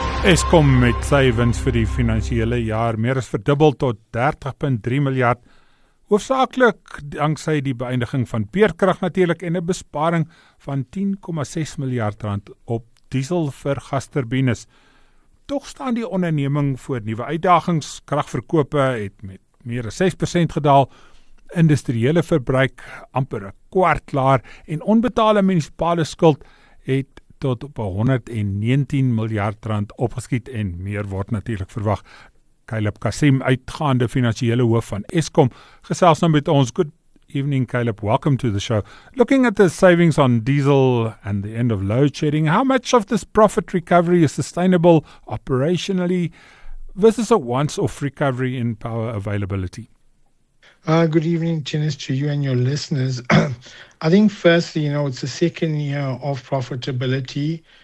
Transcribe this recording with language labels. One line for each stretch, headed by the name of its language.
Afrikaans: Eskom het sy wins vir die finansiële jaar meer as verdubbel tot 30.3 miljard, hoofsaaklik danksy die beëindiging van peerkrag natuurlik en 'n besparing van 10,6 miljard rand op diesel vir gasturbines. Tog staan die onderneming voor nuwe uitdagings. Kragverkope het met meer as 6% gedaal, industriële verbruik amper 'n kwart laer en onbetaalde munisipale skuld het tot op 119 miljard rand opgeskiet en meer word natuurlik verwag. Kailip Kasim, uitgaande finansiële hoof van Eskom, gesels nou met ons.
English: Good evening, Kailip. Welcome to the show. Looking at the savings on diesel and the end of load shedding, how much of this profit recovery is sustainable operationally versus a once-off recovery in power availability? Good evening, Dennis, to you and your listeners. I think firstly, you know, it's the second year of profitability.